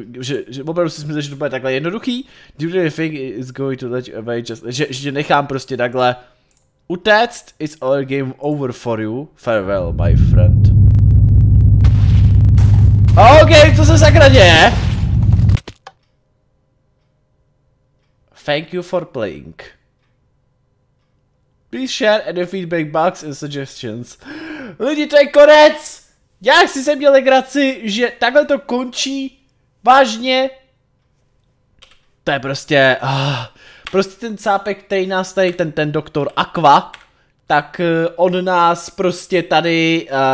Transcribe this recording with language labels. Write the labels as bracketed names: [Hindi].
[Czech] Že opravdu si myslel, že to bude takhle jednoduchý? [English] Did you really think it's going to let you away just... [Czech] Že nechám prostě takhle... Utéct? [English] It's all game over for you. Farewell, my friend. [Czech] OK, co se sakra děje? [English] Thank you for playing. Please share any feedback box and suggestions. [Czech] Lidi, to je konec! Já si jsem měl legraci, že takhle to končí. Vážně. To je prostě... Prostě ten cápek, který nás tady, ten doktor Aqua, tak on nás prostě tady...